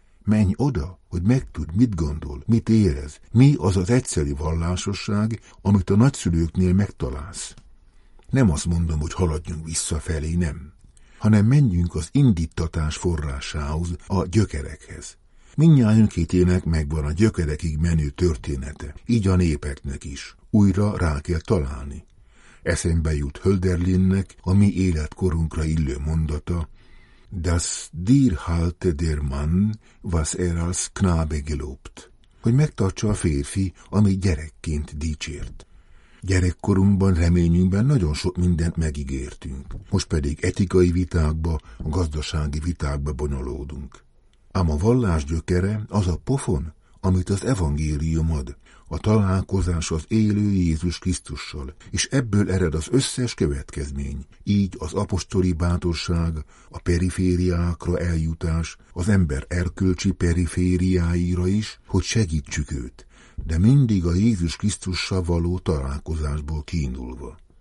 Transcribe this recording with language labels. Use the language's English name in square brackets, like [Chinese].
[Hungarian] Menj oda, hogy megtudd, mit gondol, mit érez, mi az az egyszerű vallásosság, amit a nagyszülőknél megtalálsz. Nem azt mondom, hogy haladjunk visszafelé, nem, hanem menjünk az indítatás forrásához, a gyökerekhez. Mindnyájunkétének megvan a gyökerekig menő története, így a népeknek is. Újra rá kell találni. Eszembe jut Hölderlinnek a mi életkorunkra illő mondata, [German] Das dir halte der Mann, was als Knabe gelobt. [Hungarian] Hogy megtartsa a férfi, ami gyerekként dicsért. Gyerekkorunkban reményünkben nagyon sok mindent megígértünk, most pedig etikai vitákba, gazdasági vitákba bonyolódunk. Ám a vallás gyökere az a pofon, amit az evangélium ad, a találkozás az élő Jézus Krisztussal, és ebből ered az összes következmény, így az apostoli bátorság, a perifériákra eljutás, az ember erkölcsi perifériáira is, hogy segítsük őt, de mindig a Jézus Krisztussal való találkozásból kiindulva.